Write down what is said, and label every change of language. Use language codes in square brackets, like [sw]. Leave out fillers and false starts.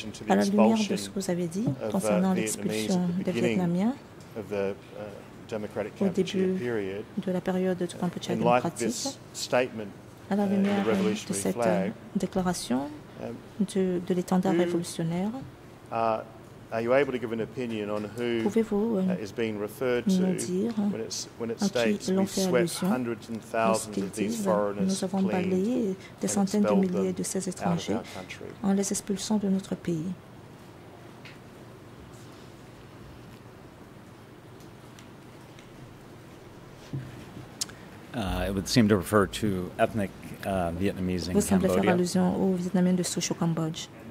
[fr] À la lumière de ce que vous avez dit concernant l'expulsion des Vietnamiens au début de la période du Cambodge démocratique, à la lumière de cette déclaration de l'étendard révolutionnaire, [en] are you able to give an opinion on who is being referred to when it states we swept hundreds and thousands of these foreigners clean and expelled them out of our country, [fr] en les expulsant de notre pays? [en] It would seem to refer to ethnic Vietnamese in Cambodia. [fr] Vous semblez faire allusion aux Vietnamiens de souche au Cambodge.